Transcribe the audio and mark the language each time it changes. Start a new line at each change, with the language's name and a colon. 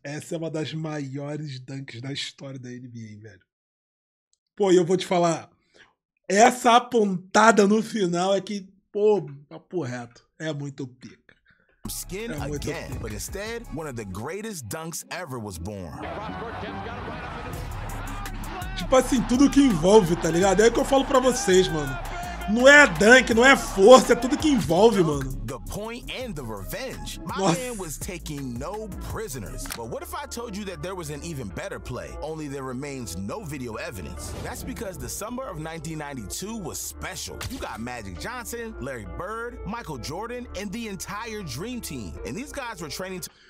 Portuguese: Essa é uma das maiores dunks da história da NBA, velho. Pô, e eu vou te falar. Essa apontada no final é que, pô, papo reto. É muito pico.
English: Skin again, but instead, one of the greatest dunks ever was born.
Portuguese: Tipo assim, tudo que envolve, tá ligado? É o que eu falo pra vocês, mano. Não é dunk, não é força, é tudo que envolve, mano.
English: The point and the revenge. My Nossa. Man was taking no prisoners. But what if I told you that there was an even better play? Only there remains no video evidence. That's because the summer of 1992 was special. You got Magic Johnson, Larry Bird, Michael Jordan, and the entire Dream Team. And these guys were training to...